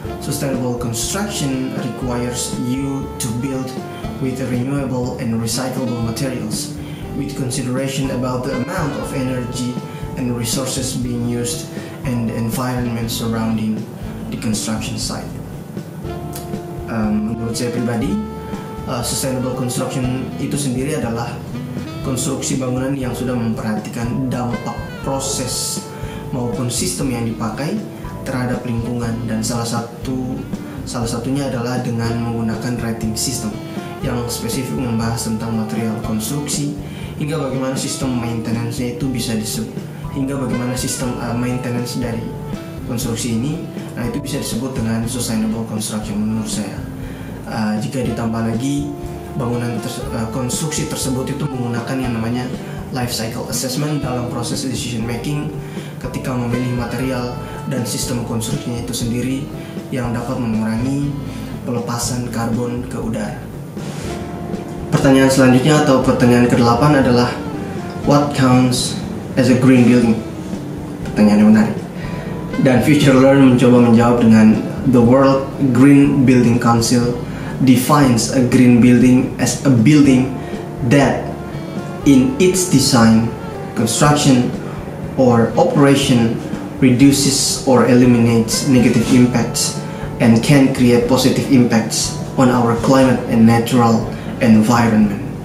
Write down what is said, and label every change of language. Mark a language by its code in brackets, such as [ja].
[en] Sustainable construction requires you to build with renewable and recyclable materials, with consideration about the amount of energy and resources being used and the environment surrounding the construction site. [id] Menurut saya pribadi, sustainable construction itu sendiri adalah konstruksi bangunan yang sudah memperhatikan dampak proses maupun sistem yang dipakai terhadap lingkungan, dan salah satunya adalah dengan menggunakan rating system yang spesifik membahas tentang material konstruksi hingga bagaimana sistem maintenance-nya itu bisa disebut maintenance dari konstruksi ini, nah itu bisa disebut dengan sustainable construction menurut saya. Jika ditambah lagi bangunan konstruksi tersebut itu menggunakan yang namanya life cycle assessment dalam proses decision making ketika memilih material dan sistem konstruksinya itu sendiri, yang dapat mengurangi pelepasan karbon ke udara. Pertanyaan selanjutnya atau pertanyaan ke-8 adalah, [en] what counts as a green building? [id] Pertanyaan yang menarik. Dan Future Learn mencoba menjawab dengan, [en] the World Green Building Council defines a green building as a building that in its design, construction, or operation reduces or eliminates negative impacts and can create positive impacts on our climate and natural environment.